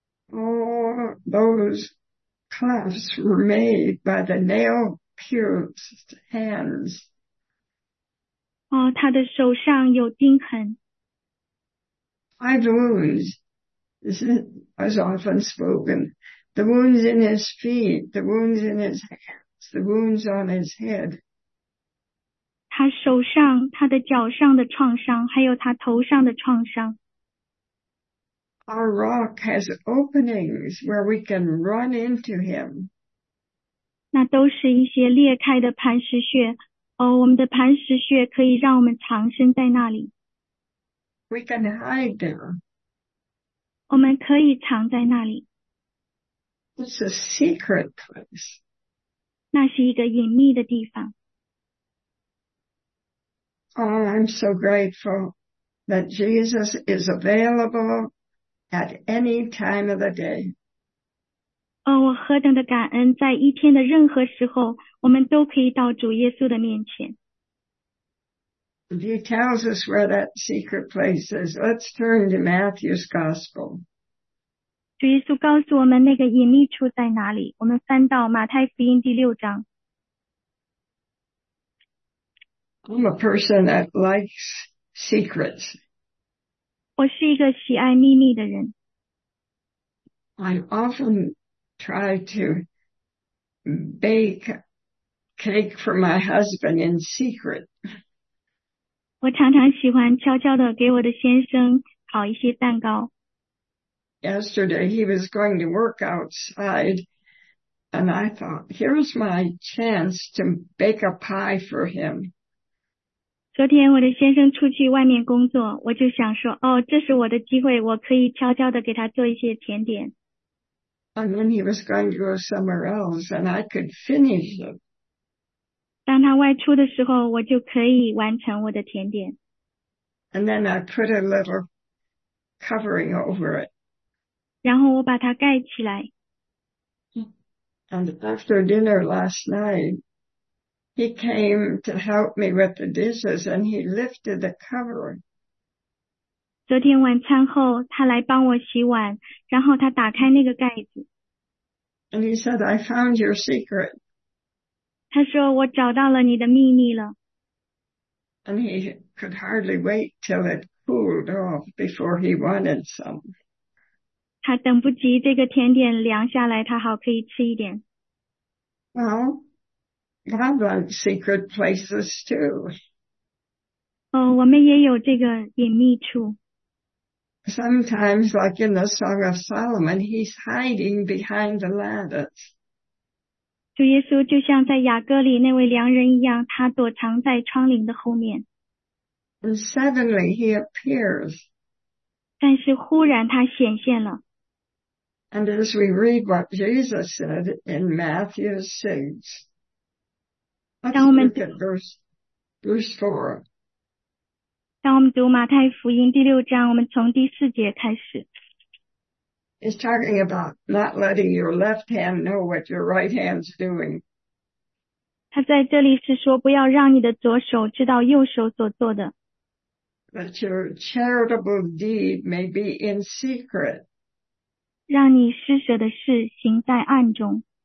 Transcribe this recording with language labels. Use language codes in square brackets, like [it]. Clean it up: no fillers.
[en] All those clefts were made by the nail-pierced hands. [zh] 哦，他的手上有钉痕。 [en] Five wounds, this is often spoken. The wounds in his feet, the wounds in his hands, the wounds on his head. [zh] 他手上，他的脚上的创伤，还有他头上的创伤。 [en] Our rock has openings where we can run into him. [zh] 那都是一些裂开的磐石穴，哦，我们的磐石穴可以让我们藏身在那里。 [en] We can hide there. [zh] 我们可以藏在那里。 [en] It's a secret place. [zh] 那是一个隐秘的地方。 [en] Oh, I'm so grateful that Jesus is available at any time of the day. [zh] 哦，我何等的感恩，在一天的任何时候，我们都可以到主耶稣的面前。 [en] He tells us where that secret place is. Let's turn to Matthew's Gospel. [zh] 主耶稣告诉我们那个隐秘处在哪里，我们翻到马太福音第六章。 [en] I'm a person that likes secrets. [zh] 我是一个喜爱秘密的人。 [en] I often try to bake cake for my husband in secret. [zh] 我常常喜欢悄悄地给我的先生烤一些蛋糕。 [en] Yesterday, he was going to work outside, And I thought, here's my chance to bake a pie for him. [zh] 昨天我的先生出去外面工作，我就想说，哦，这是我的机会，我可以悄悄地给他做一些甜点。 [en] And then he was going to go somewhere else, and I could finish it. [zh] 当他外出的时候，我就可以完成我的甜点。 [en] And then I put a little covering over it. [zh] 然后我把它盖起来。 [en] And after dinner last night, he came to help me with the dishes, and he lifted the cover. [zh] 昨天晚餐后，他来帮我洗碗，然后他打开那个盖子。 [en] And he said, I found your secret. [zh] 他说，我找到了你的秘密了。 [en] And he could hardly wait till it cooled off before he wanted some. [zh] 他等不及这个甜点凉下来，他好可以吃一点。 [en] Well, God wants secret places too. [zh] 哦，我们也有这个隐秘处。 [en] Sometimes, like in the Song of Solomon, he's hiding behind the lattice. [zh] 主耶稣就像在雅各里那位良人一样，他躲藏在窗棂的后面。 [en] And suddenly he appears. [zh] 但是忽然他显现了。 [en] And as we read what Jesus said in Matthew 6, let's look at verse 4. [zh] 当我们读马太福音第六章，我们从第四节开始。 [en] It's talking about not letting your left hand know what your right hand's doing. [zh] 他在这里是说，不要让你的左手知道右手所做的。 [en] That your charitable deed may be in secret. [zh] 让你施舍的事行在暗中。